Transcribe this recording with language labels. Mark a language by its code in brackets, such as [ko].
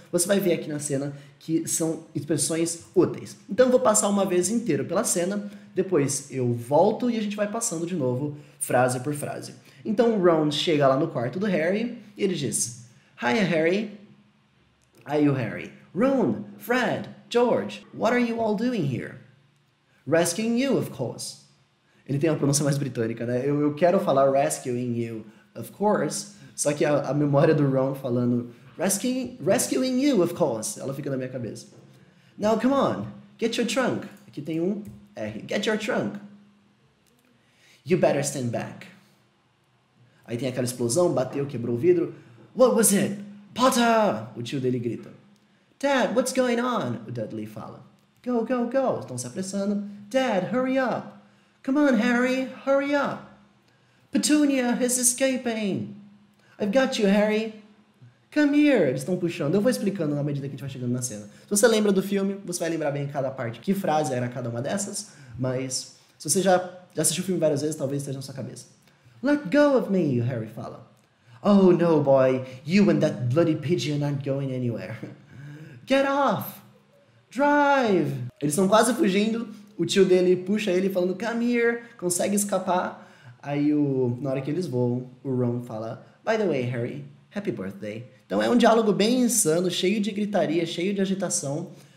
[pt] Você vai ver aqui na cena que são expressões úteis. Então eu vou passar uma vez inteira pela cena, depois eu volto e a gente vai passando de novo frase por frase. Então o Ron chega lá no quarto do Harry e ele diz: [en] "Hiya, Harry." "Are you Harry?" "Ron, Fred, George, what are you all doing here?" "Rescuing you, of course." [pt] Ele tem uma pronúncia mais britânica, né? Eu quero falar [en] "rescuing you, of course", [pt] só que a memória do Ron falando rescuing you, of course", ela fica na minha cabeça. [en] "Now, come on, get your trunk." [pt] Aqui tem um R. [en] "Get your trunk." "You better stand back." [pt] Aí tem aquela explosão, bateu, quebrou o vidro. [en] "What was it?" "Potter!" [pt] O tio dele grita. [en] "Dad, what's going on?" [pt] O Dudley fala. [en] "Go, go, go." [pt] Estão se apressando. [en] "Dad, hurry up." "Come on, Harry, hurry up." "Petunia is escaping." "I've got you, Harry." "Come here." [pt] Eles estão puxando. Eu vou explicando na medida que a gente vai chegando na cena. Se você lembra do filme, você vai lembrar bem cada parte, que frase era cada uma dessas. Mas se você já assistiu o filme várias vezes, talvez esteja na sua cabeça. [en] "Let go of me," [pt] o Harry fala. [en] "Oh, no, boy. You and that bloody pigeon aren't going anywhere." "Get off! Drive!" [pt] Eles estão quase fugindo, o tio dele puxa ele falando [en] "Come here!" [pt] Consegue escapar. Aí, na hora que eles voam, o Ron fala [en] "By the way, Harry, happy birthday." [pt] Então é um diálogo bem insano, cheio de gritaria, cheio de agitação.